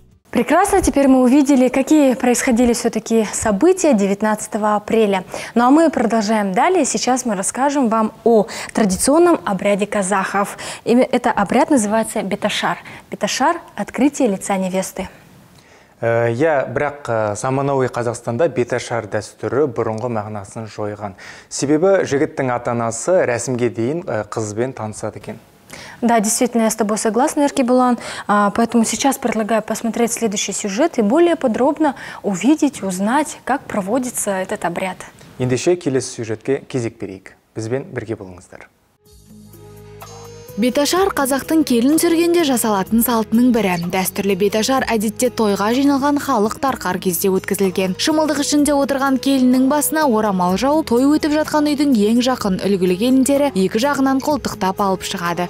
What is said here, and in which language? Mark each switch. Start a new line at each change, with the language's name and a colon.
Russian: Прекрасно, теперь мы увидели, какие происходили все-таки события 19 апреля. Ну а мы продолжаем далее. Сейчас мы расскажем вам о традиционном обряде казахов. Это обряд называется беташар. Беташар – открытие лица невесты.
Kazakh: Я брак заманауи Казахстанда беташар дәстүрі бұрынғы мағынасын жойған. Себебі жігіттің атанасы рәсімге дейін қызбен танысады екен.
Russian: Да, действительно, я с тобой согласна, Эркебулан. Поэтому сейчас предлагаю посмотреть следующий сюжет и более подробно увидеть, узнать, как проводится этот обряд.
Kazakh: Ендеше келесі сюжетке кезек берейік. Бізбен бірге болыңыздар. Беташар қазақтың келін түргенде жасалатын салтының бірі. Дәстүрлі беташар әдетте тойға жиналған халық тарқар кезде өткізілген. Шымылдық ішінде отырған келіннің басына орамал жауып, той өтіп жатқан үйдің ең жақын үлгілі келіндері екі жағынан қолтықтап алып шығады.